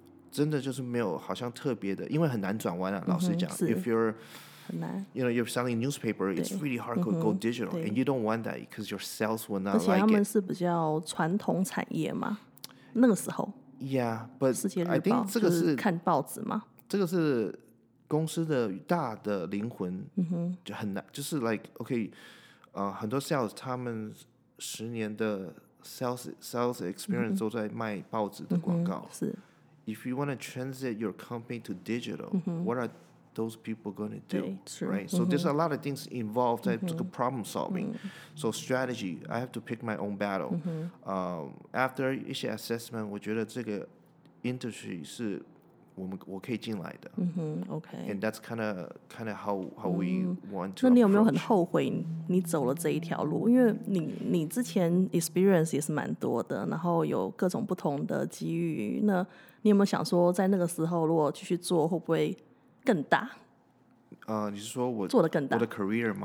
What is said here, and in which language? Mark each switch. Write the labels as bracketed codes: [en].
[zh] 真的就是没有好像特别的因为很难转弯啊老实讲、 mm-hmm. [en] If you'reYou know, you're selling newspaper, it's really hard to go digital, and you don't want that because your sales will not like it. [zh] 而且他们是比较传统产业嘛，那个时候。 [en] Yeah, but [zh] 世界日报 [en] I think [zh] 这个是看报纸嘛，这个是公司的大的灵魂就很难，就是 [en] like OK、 [zh] 很多 sales 他们十年的 [en] sales experience [zh] 都在卖报纸的广告，是 [en] If you want to transit your company to digital、what areThose people going to do, right? So there's a lot of things involved in problem solving. So strategy, I have to pick my own battle. After [zh] 一些 assessment, 我觉得这个 industry 是我可以进来的。 [en] Okay. And that's kind of how we want to. [zh] 那你有没有很后悔你走了这一条路？因为你之前 experience 也是蛮多的，然后有各种不同的机遇。那你有没有想说，在那个时候如果继续做，会不会？更大、你是说我做得更大我的 career 吗？